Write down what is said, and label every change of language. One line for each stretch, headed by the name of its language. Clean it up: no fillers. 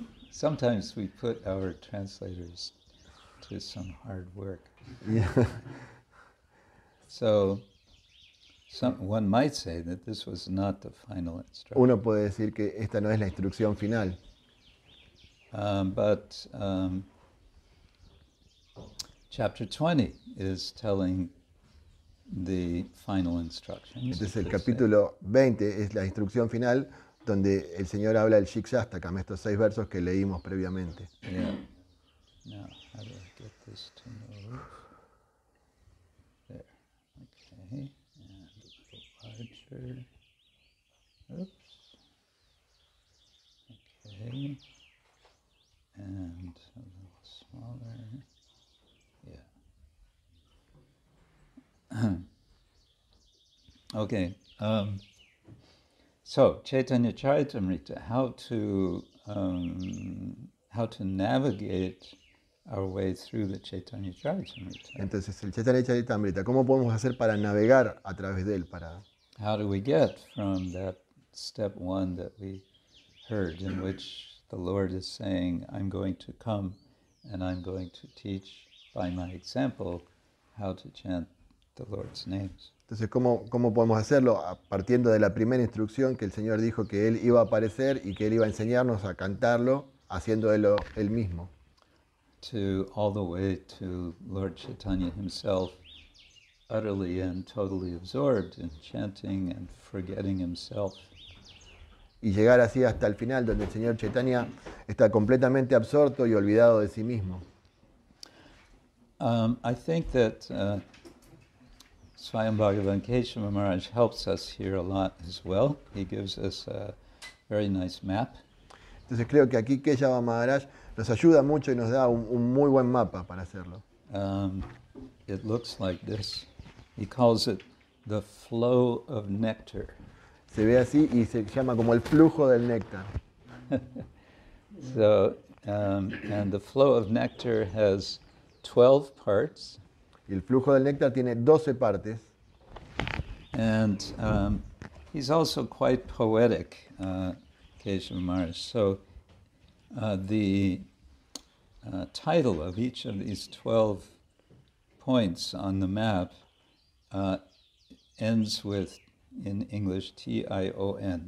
English: sometimes we put our translators to some hard work. So, one might say that this was not the final instruction.
Spanish: Uno puede decir que esta no es la instrucción final.
English: But chapter 20 is telling the final instructions.
Spanish: Entonces el capítulo 20 es la instrucción final donde el Señor habla el Shikshastakam, estos seis versos que leímos previamente.
English: Yeah. No, I don't know. get this to move. There. Okay. And a little larger. Oops. Okay. And a little smaller. Yeah. Okay. So, Chaitanya Charitamrita, how to navigate our way through the Chaitanya Charitamrita.
Spanish: Entonces, el Chaitanya Charitamrita, ¿cómo podemos hacer para navegar a través de él?
English: How do we get from that step one that we heard, in which the Lord is saying, I'm going to come and I'm going to teach by my example how to chant the Lord's names?
Spanish: Entonces, ¿cómo podemos hacerlo? Partiendo de la primera instrucción que el Señor dijo que Él iba a aparecer y que Él iba a enseñarnos a cantarlo, haciendo Él mismo.
English: To all the way to Lord Chaitanya himself, utterly and totally absorbed in chanting and forgetting himself.
Spanish: Y llegar así hasta el final, donde el Señor Chaitanya está completamente absorto y olvidado de sí mismo.
English: I think that... Swayam Bhagavan Keshava Maharaj helps us here a lot as well. He gives us a very nice map.
Spanish: Entonces creo que aquí Keshava Maharaj nos ayuda mucho y nos da un muy buen mapa para hacerlo.
English: It looks like this. He calls it the flow of nectar.
Spanish: Se ve así y se llama como el flujo del néctar.
English: So, and the flow of nectar has 12 parts.
Spanish: Y el flujo del néctar tiene 12 partes.
English: And he's also quite poetic, Keshava Maharaj. So the title of each of these 12 points on the map ends with, in English, T-I-O-N.